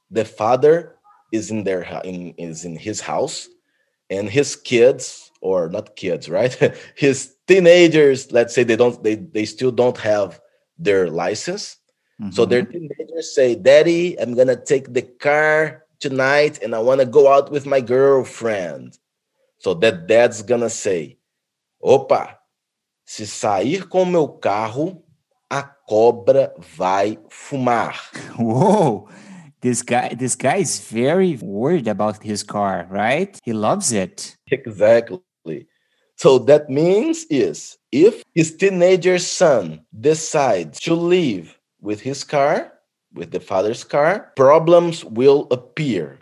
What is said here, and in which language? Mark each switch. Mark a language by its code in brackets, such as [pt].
[en] The father is in his house, and his kids, or not kids, right? His teenagers, let's say they still don't have their license. Mm-hmm. So their teenagers say, "Daddy, I'm gonna take the car tonight and I wanna go out with my girlfriend." So that dad's gonna say, [pt] "Opa, se sair com meu carro, a cobra vai fumar." [en] Whoa, this guy is very worried about his car, right? He loves it. Exactly. So that means is if his teenager son decides to leave with his car, with the father's car, problems will appear.